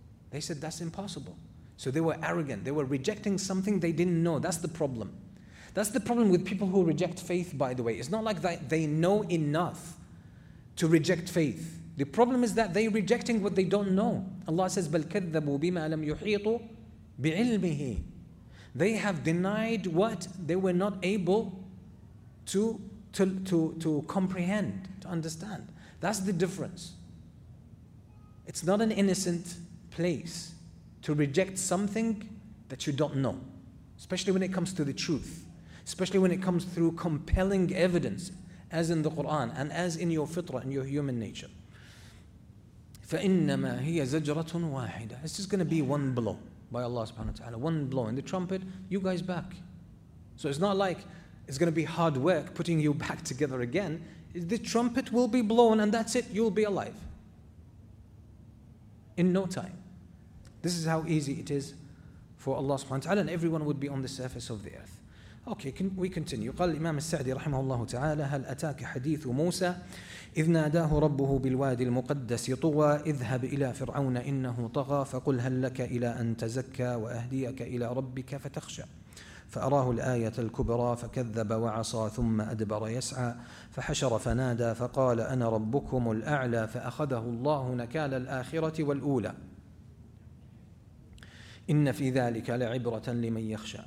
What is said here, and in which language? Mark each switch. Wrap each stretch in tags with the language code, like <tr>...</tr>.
<en>They said that's impossible. So they were arrogant. They were rejecting something they didn't know. That's the problem. That's the problem with people who reject faith, by the way. It's not like they know enough to reject faith. The problem is that they're rejecting what they don't know. Allah says,</en> <ar>بَلْ كَذَّبُوا بِمَا لَمْ يُحِيطُوا بِعِلْمِهِ.</ar> <en>They have denied what they were not able to comprehend, to understand. That's the difference. It's not an innocent place to reject something that you don't know, especially when it comes to the truth, especially when it comes through compelling evidence, as in the Quran and as in your fitrah and your human nature.</en> <ar>فَإِنَّمَا هِيَ زَجْرَةٌ وَاحِدَةٌ.</ar> <en>It's just going to be one blow. By Allah subhanahu wa ta'ala, one blow in the trumpet, you guys back. So it's not like it's going to be hard work putting you back together again. The trumpet will be blown and that's it, you'll be alive. In no time. This is how easy it is for Allah subhanahu wa ta'ala, and everyone would be on the surface of the earth. Okay, can we continue?</en> <ar>قال الإمام السعدي رحمه الله تعالى هل أتاك حديث موسى إذ ناداه ربه بالوادي المقدس طوى اذهب إلى فرعون إنه طغى فقل هل لك إلى أن تزكى وأهديك إلى ربك فتخشى فأراه الآية الكبرى فكذب وعصى ثم أدبر يسعى فحشر فنادى فقال أنا ربكم الأعلى فأخذه الله نكال الآخرة والأولى إن في ذلك لعبرة لمن يخشى.</ar>